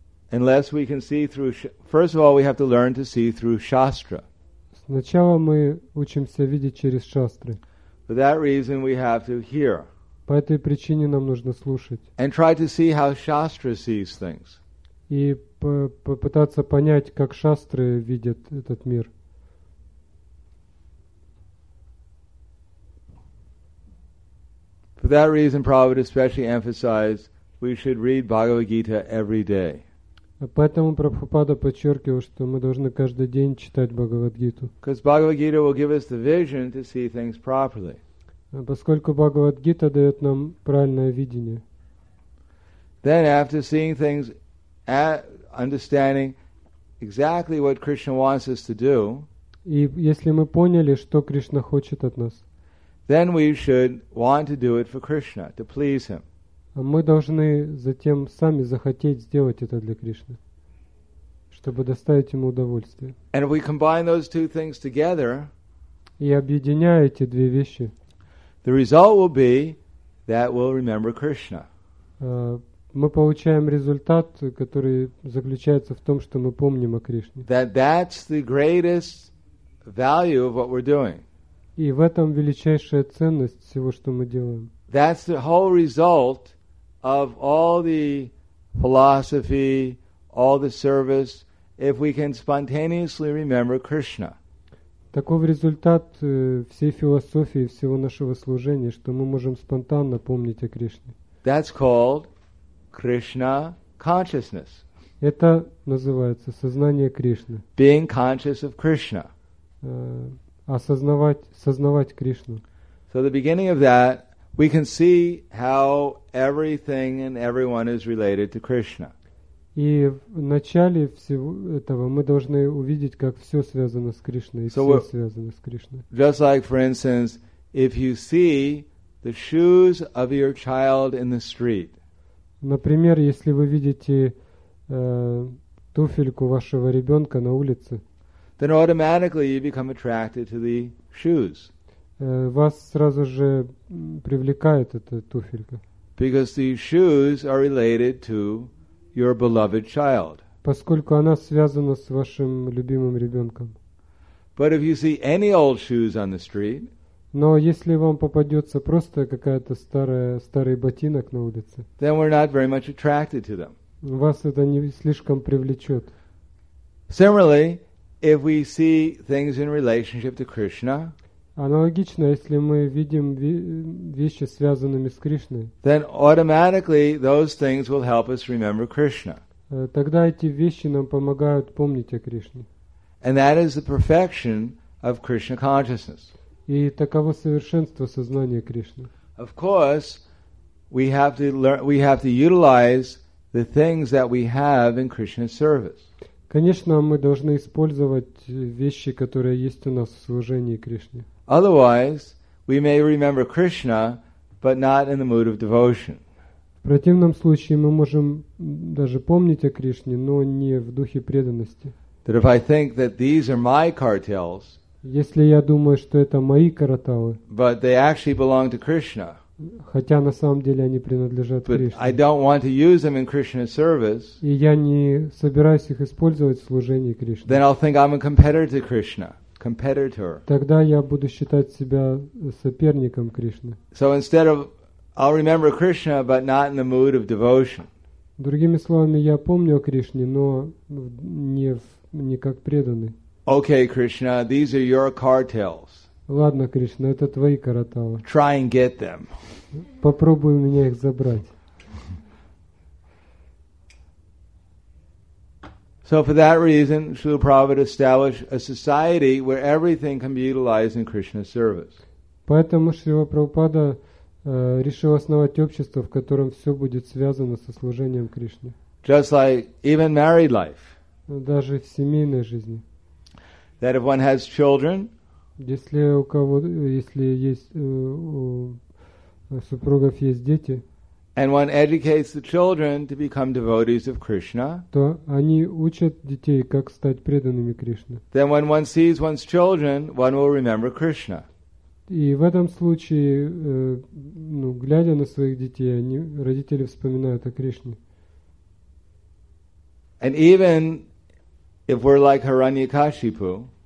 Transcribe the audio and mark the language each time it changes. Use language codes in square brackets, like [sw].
[en] Unless we can see through, first of all, we have to learn to see through shastra. [ru] Сначала мы учимся видеть через шастры. [en] For that reason, we have to hear. [ru] По этой причине нам нужно слушать. [en] And try to see how shastra sees things. [ru] И попытаться понять, как шастры видят этот мир. [en] For that reason, Prabhupada especially emphasized we should read Bhagavad Gita every day. [ru] Поэтому Прабхупада подчеркивал, что мы должны каждый день читать Бхагавад Гиту. [en] Because Bhagavad Gita will give us the vision to see things properly. [ru] Поскольку Бхагавад Гита дает нам правильное видение. [en] Then after seeing things, understanding exactly what Krishna wants us to do. [ru] И если мы поняли, что Кришна хочет от нас. [en] Then we should want to do it for Krishna, to please him. [ru] Мы должны затем сами захотеть сделать это для Кришны, чтобы доставить ему удовольствие. [en] And if we combine those two things together, [ru] и объединяя эти две вещи, [en] the result will be that we'll remember Krishna. [ru] Мы получаем результат, который заключается в том, что мы помним о Кришне. [en] That's the greatest value of what we're doing. [ru] И в этом величайшая ценность всего, что мы делаем. [en] That's the whole result of all the philosophy, all the service, if we can spontaneously remember Krishna. [ru] Таков результат всей философии, всего нашего служения, что мы можем спонтанно помнить о Кришне. [en] That's called Krishna consciousness. [ru] Это называется сознание Кришны. [en] Being conscious of Krishna. [ru] Осознавать Кришну. [en] So the beginning of that, we can see how everything and everyone is related to Krishna. [ru] И в начале всего этого мы должны увидеть, как все связано с Кришной, и [en] so [ru] все связано с Кришной. [en] Just like, for instance, if you see the shoes of your child in the street. [ru] Например, если вы видите туфельку вашего ребенка на улице, [en] then automatically you become attracted to the shoes. [ru] Вас сразу же привлекает эта туфелька. [en] Because the shoes are related to your beloved child. [ru] Поскольку она связана с вашим любимым ребенком. [en] But if you see any old shoes on the street, [ru] но если вам попадется просто какая-то старый ботинок на улице, [en] then we're not very much attracted to them. [ru] Вас это не слишком привлечет. [en] Similarly, if we see things in relationship to Krishna, [ru] аналогично, если мы видим вещи, связанными с Кришной, [en] then automatically those things will help us remember Krishna. [ru] Тогда эти вещи нам помогают помнить о Кришне. [en] And that is the perfection of Krishna consciousness. [ru] И таково совершенство сознания Кришны. [en] Of course, we have to utilize the things that we have in Krishna's service. [ru] Конечно, мы должны использовать вещи, которые есть у нас в служении Кришне. [en] Otherwise, we may remember Krishna, but not in the mood of devotion. [ru] В противном случае мы можем даже помнить о Кришне, но не в духе преданности. [en] That if I think that these are my cartels, [ru] если я думаю, что это мои караталы, [en] but they actually belong to Krishna, [ru] хотя на самом деле они принадлежат [en] but [ru] Кришне, [en] I don't want to use them in Krishna's service, [ru] и я не собираюсь их использовать в служении Кришне, [en] then I'll think I'm a competitor to Krishna, competitor. [ru] Тогда я буду считать себя соперником Кришны. [en] So instead of I'll remember Krishna, but not in the mood of devotion. [ru] Другими словами, я помню о Кришне, но не как преданный. [en] Okay, Krishna, these are your cartels. [ru] Ладно, Кришна, это твои караталы. [en] Try and get them. [ru] Попробуй у меня их забрать. [en] So for that reason, Srila Prabhupada established a society where everything can be utilized in Krishna's service. [ru] Поэтому Шрила Прабхупада решил основать общество, в котором все будет связано со служением Кришне. [en] Just like even married life. [ru] Даже в семейной жизни. [en] That if one has children, [ru] если у кого, если есть у супругов есть дети, [en] and one educates the children to become devotees of Krishna, [ru] то они учат детей, как стать преданными Кришне. [en] Then when one sees one's children, one will remember Krishna. [ru] И в этом случае, ну, глядя на своих детей, они, родители вспоминают о Кришне. [en] And even if we're like Hiranyakashipu,